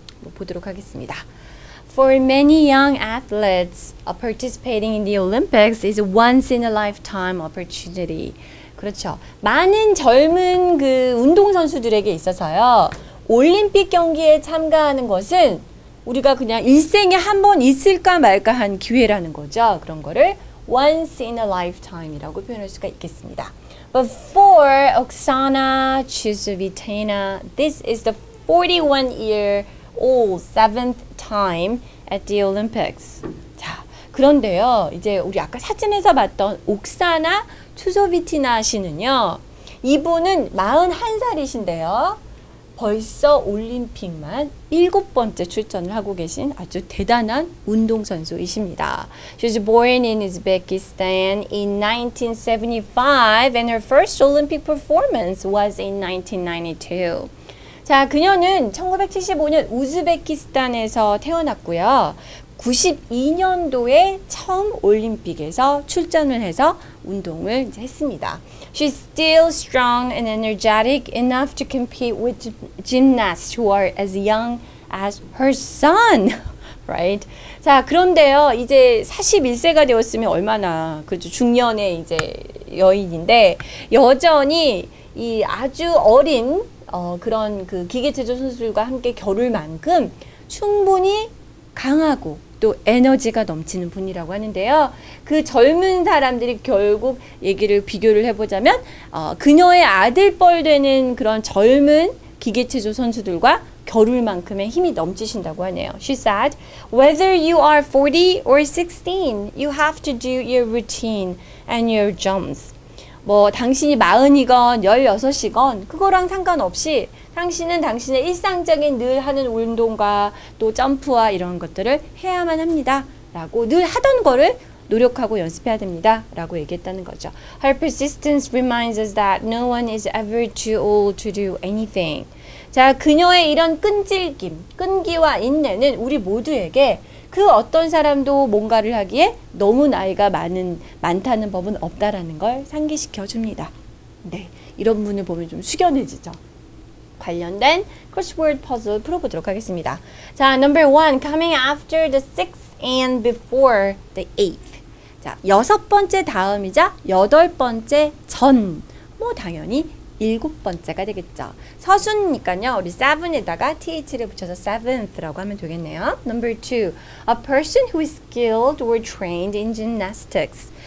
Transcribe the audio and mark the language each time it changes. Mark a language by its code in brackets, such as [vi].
[ko] 뭐 보도록 하겠습니다. [en] For many young athletes, participating in the Olympics is a once-in-a-lifetime opportunity. [ko] 그렇죠. 많은 젊은 그 운동선수들에게 있어서요. 올림픽 경기에 참가하는 것은 우리가 그냥 일생에 한 번 있을까 말까 한 기회라는 거죠. 그런 거를 once-in-a-lifetime이라고 표현할 수가 있겠습니다. [en] But for Oksana Chusovitina, this is the 41-year-old seventh time at the Olympics. [ko] 자, 그런데요, 이제 우리 아까 사진에서 봤던 옥사나 추소비티나 씨는요, 이분은 41살이신데요, 벌써 올림픽만 7번째 출전을 하고 계신 아주 대단한 운동선수이십니다. [en] She was born in Uzbekistan in 1975 and her first Olympic performance was in 1992. [ko] 자, 그녀는 1975년 우즈베키스탄에서 태어났고요. 92년도에 처음 올림픽에서 출전을 해서 운동을 이제 했습니다. [en] She's still strong and energetic enough to compete with gymnasts who are as young as her son, right? [ko] 자, 그런데요, 이제 41세가 되었으면 얼마나 그죠 중년의 이제 여인인데 여전히 이 아주 어린 그런 그 기계체조 선수들과 함께 겨룰 만큼 충분히 강하고 또 에너지가 넘치는 분이라고 하는데요. 그 젊은 사람들이 결국 얘기를 비교를 해보자면 그녀의 아들뻘 되는 그런 젊은 기계체조 선수들과 겨룰 만큼의 힘이 넘치신다고 하네요. [en] She said, whether you are 40 or 16, you have to do your routine and your jumps. [ko] 뭐 당신이 마흔이건 16이건 그거랑 상관없이 당신은 당신의 일상적인 늘 하는 운동과 또 점프와 이런 것들을 해야만 합니다. 라고 늘 하던 거를 노력하고 연습해야 됩니다. 라고 얘기했다는 거죠. [en] Her persistence reminds us that no one is ever too old to do anything. [ko] 자, 그녀의 이런 끈질김, 끈기와 인내는 우리 모두에게 그 어떤 사람도 뭔가를 하기에 너무 나이가 많다는 법은 없다라는 걸 상기시켜 줍니다. 네, 이런 분을 보면 좀 숙연해지죠. 관련된 크로스워드 퍼즐 풀어보도록 하겠습니다. [en] 자, number one, coming after the sixth and before the eighth. [ko] 자, 여섯 번째 다음이자 여덟 번째 전. 뭐 당연히 일곱 번째가 되겠죠. 서순이니까요. 우리 seven에다가 th를 붙여서 seventh라고 하면 되겠네요. [en] Number two, a person who is skilled or trained in gymnastics.